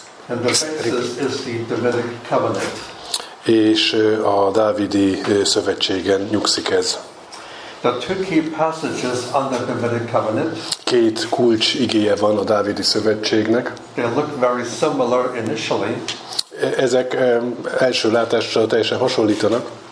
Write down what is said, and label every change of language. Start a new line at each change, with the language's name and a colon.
English: And the basis is the Davidic covenant.
Hungarian: És a dávidi szövetségen nyugszik ez.
English: The two key passages under the Davidic covenant.
Hungarian: Két kulcs igéje van a dávidi szövetségnek.
English: They look very similar initially.
Hungarian: Ezek első látásra teljesen hasonlítanak.